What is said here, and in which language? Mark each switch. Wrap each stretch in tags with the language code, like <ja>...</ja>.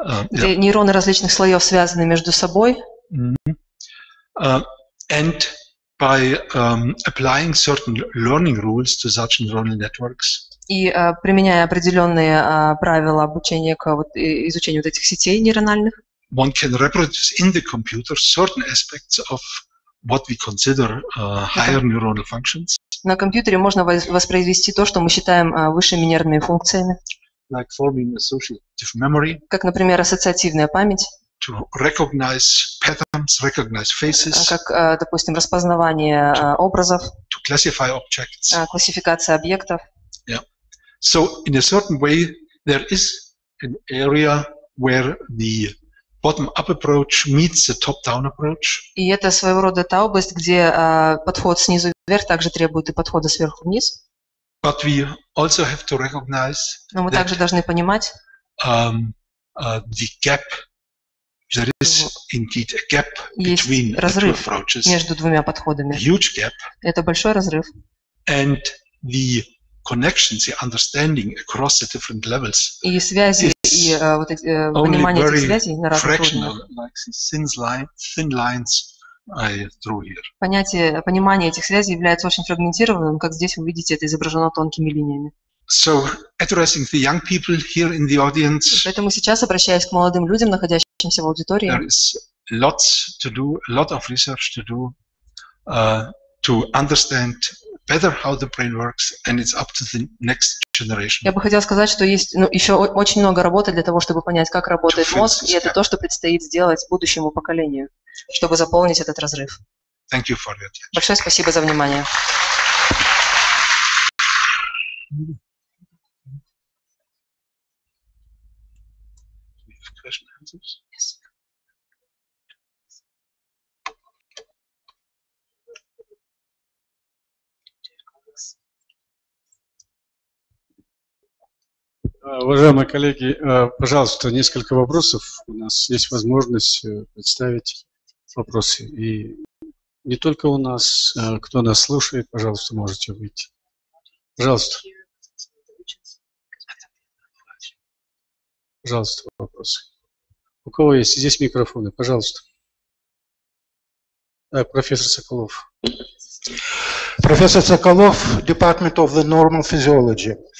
<ru>Нейроны различных слоев связаны между собой.</ru> <en>And by applying certain learning rules to such neural networks.</en> <ru>И применяя определенные правила обучения к вот, изучению вот этих сетей нейрональных.</ru> <en>One can reproduce in the computer certain aspects of what we consider higher neuronal functions.</en> <ru>На компьютере можно воспроизвести то, что мы считаем высшими нервными функциями.</ru> <en>Like forming associative memory.</en> <ru>Как, например, ассоциативная память.</ru> <en>To recognize patterns, recognize faces.</en> <ru>Как, допустим, распознавание образов.</ru> <en>To classify objects.</en> <ru>Классификация объектов.</ru> <en>Yeah. So in a certain way, there is an area where the bottom-up approach meets the top-down approach.</en> <ru>И это своего рода та область, где подход снизу вверх также требует и подхода сверху вниз.</ru> <en>But we also have to recognize.</en> <ru>Но мы также должны понимать.</ru> <en>The gap. There is indeed a gap between the two approaches.</en> <ru>Между двумя подходами.</ru> <en>Huge gap.</en> <ru>Это большой разрыв.</ru> <en>And the connections, the understanding across the different levels.</en> <ru>И связи, и вот эти понимание этих связей на разных уровнях.</ru> <en>Only fractional, like thin lines I drew here.</en> <ru>Понятие, понимание этих связей является очень фрагментированным, как здесь вы видите, это изображено тонкими линиями.</ru> <en>So addressing the young people here in the audience.</en> <ru>Поэтому сейчас обращаюсь к молодым людям, находящимся в аудитории.</ru> <en>There is lots to do, a lot of research to do, to understand better how the brain works, and it's up to the next generation.</en> <ru>Я бы хотел сказать, что есть еще очень много работы для того, чтобы понять, как работает мозг, и это то, что предстоит сделать будущему поколению, чтобы заполнить этот разрыв.</ru> <en>Thank you for your attention.</en> <ru>Большое спасибо за внимание. Уважаемые коллеги, пожалуйста, несколько вопросов. У нас есть возможность представить вопросы. И не только у нас, кто нас слушает, пожалуйста, можете выйти. Пожалуйста. Пожалуйста, вопросы. У кого есть здесь микрофоны? Пожалуйста. Так, профессор Соколов. Профессор Соколов,</ru> <en>Department of the Normal Physiology.</en>